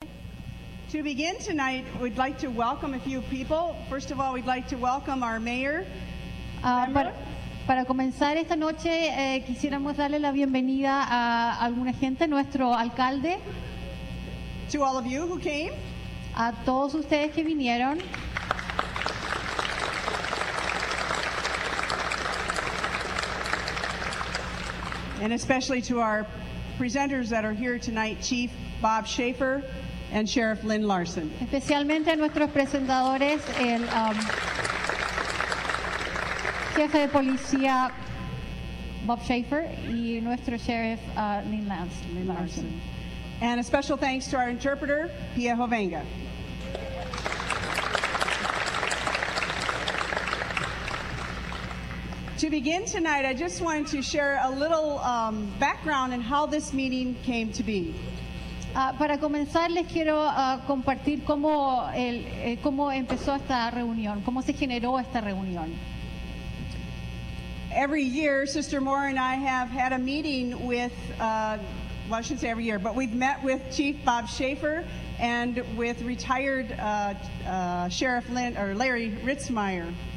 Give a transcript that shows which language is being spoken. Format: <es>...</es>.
<en>To begin tonight, we'd like to welcome a few people. First of all, we'd like to welcome our mayor.</en> <es>Para comenzar esta noche, quisiéramos darle la bienvenida a alguna gente, nuestro alcalde.</es> <en>To all of you who came.</en> <es>A todos ustedes que vinieron.</es> <en>And especially to our presenters that are here tonight, Chief Bob Schaefer and Sheriff Lynn Larson.</en> <es>Especialmente a nuestros presentadores, el jefe de policía Bob Schaefer y nuestro sheriff Lynn Larson.</es> <en>And a special thanks to our interpreter, Pia Hovenga. To begin tonight, I just wanted to share a little background on how this meeting came to be.</en> <es>Para comenzar, les quiero compartir cómo empezó esta reunión, cómo se generó esta reunión.</es> <en>Every year, Sister Moore and I have had a meeting with, well, I shouldn't say every year, but we've met with Chief Bob Schaefer and with retired Sheriff Lynn or Larry Ritzmeyer.</en>